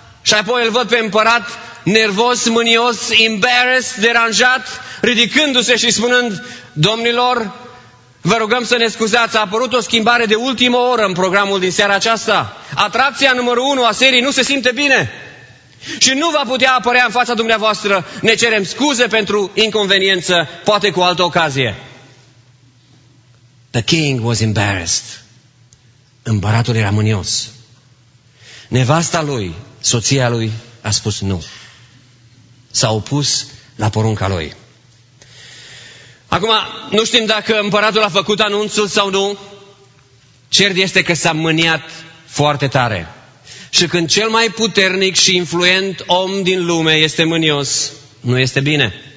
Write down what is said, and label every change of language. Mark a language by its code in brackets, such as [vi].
[ro] Și apoi îl văd pe împărat nervos, mânios, embarrassed, deranjat, ridicându-se și spunând, domnilor, vă rugăm să ne scuzați, a apărut o schimbare de ultimă oră în programul din seara aceasta. Atracția numărul 1 a serii nu se simte bine și nu va putea apărea în fața dumneavoastră. Ne cerem scuze pentru inconveniență, poate cu altă ocazie. [en] The king was embarrassed. [ro] Împăratul era mânios. Nevasta lui, soția lui, a spus nu. S-a opus la porunca lui. Acum, nu știm dacă împăratul a făcut anunțul sau nu. Cert este că s-a mâniat foarte tare. Și când cel mai puternic și influent om din lume este mânios, nu este bine.